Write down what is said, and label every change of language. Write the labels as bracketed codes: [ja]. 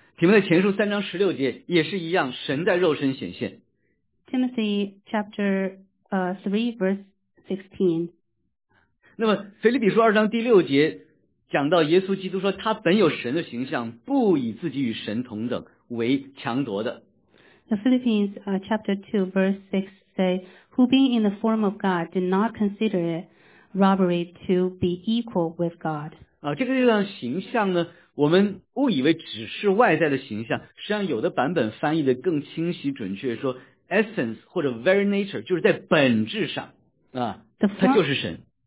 [zh] 提摩太前书三章十六节也是一样，神在肉身显现。 [en] Timothy chapter 3 verse 16. [zh] 那么腓立比书二章第六节讲到耶稣基督说他本有神的形象，不以自己与神同等为强夺的。 [en] The Philippians chapter 2 verse 6 say, who being in the form of God did not consider it robbery to be equal with God. [zh] 这个地方形象呢，我们误以为只是外在的形象，实际上有的版本翻译的更清晰准确，说essence 或者 very nature 就是在本质上他就是神。